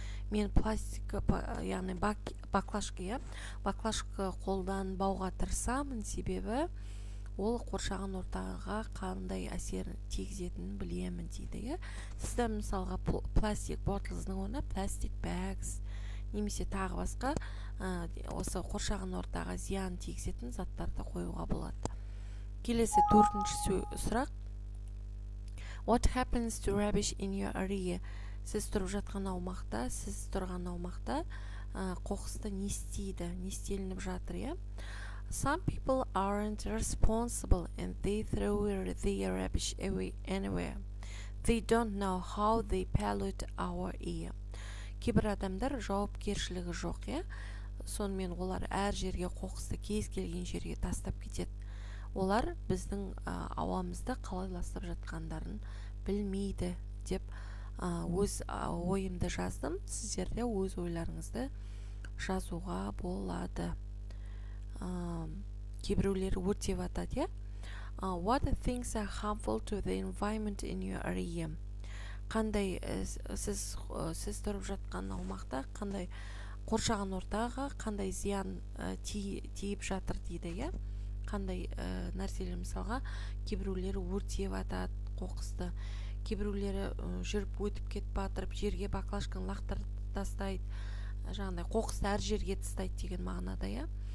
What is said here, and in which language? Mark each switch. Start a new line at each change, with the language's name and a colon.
Kazakh: Мен пластик, яғни баклашка қолданбауға тырысамын, себебі ол қоршаған ортаға қандай әсер тигізетінін білемін дейді. Сізді мысалға пластик bottles-ның орнына
English: plastic bags,
Kazakh: немесе тағы басқа осы қоршаған ортаға зиян тигізетін заттарды қоюға болады. Келесі төртінші сұрақ.
English: What happens to rubbish in your area?
Kazakh: Сіз тұрып жатқан аумақта, қоқысты не істейді, не істелініп жатыр, е?
English: Some people aren't responsible and they throw their rubbish away anywhere. They don't know how they pollute our area.
Kazakh: Кейбір адамдар жауапкершілігі жоқ, е? Сонымен олар әр жерге қоқысты кез келген жерге тастап кетеді. Олар біздің ауамызды қалай ластап жатқандарын білмейді деп өз ойымды жаздым. Сіздерде өз ойларыңызды жазуға болады. Кейбіреулер өртеп атады, е?
English: What things are harmful to the environment in your area?
Kazakh: Қандай сіз тұрып жатқан аумақта қандай қоршаған ортаға қандай зиян тиіп жатыр дейді, е? Қандай нәрселер, мысалға, кейбіреулері өртеп атады қоқысты, кейбіреулері жүріп өтіп кетіп батырып, жерге баклашканы лақтырып тастайды, жаңағыдай қоқысты әр жерге тастайды деген мағынада, иә.